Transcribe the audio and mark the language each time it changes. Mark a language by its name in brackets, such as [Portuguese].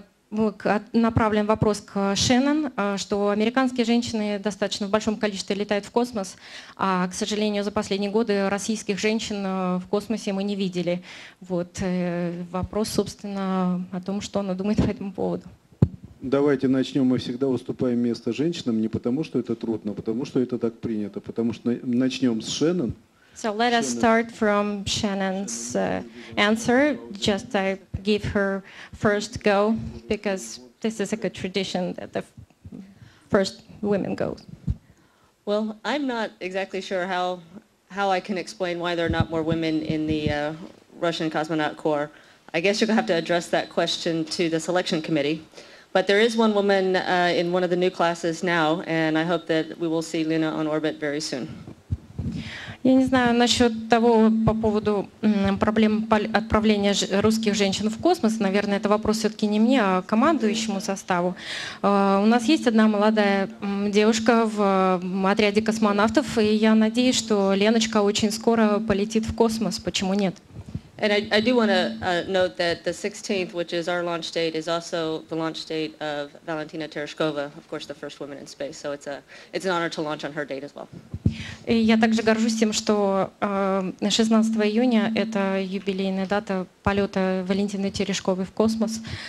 [Russian] Направлен вопрос к Шеннон, что американские женщины достаточно в большом количестве летают в космос, а, к сожалению, за последние годы российских женщин в космосе мы не видели. Вот вопрос, собственно, о том, что она думает по этому поводу. Давайте начнем. Мы всегда уступаем место женщинам не потому, что это трудно, а потому, что это так принято. Потому что начнем с Шеннон. [English] So let us start from Shannon's answer. Just I give her first go, because this is a good tradition that the first women go. Well, I'm not exactly sure how I can explain why there are not more women in the Russian Cosmonaut Corps. I guess you're going to have to address that question to the selection committee. But there is one woman in one of the new classes now, and I hope that we will see Luna on orbit very soon. [Russian] Я не знаю насчет того, по поводу проблем отправления русских женщин в космос. Наверное, это вопрос все-таки не мне, а командующему составу. У нас есть одна молодая девушка в отряде космонавтов, и я надеюсь, что Леночка очень скоро полетит в космос. Почему нет? [English] And I do want to note that the 16th, which is our launch date, is also the launch date of Valentina Tereshkova, of course, the first woman in space. So it's an honor to launch on her date as well. [Russian] Я также горжусь тем, что 16 июня – это юбилейная дата полета Валентины Терешковой в космос.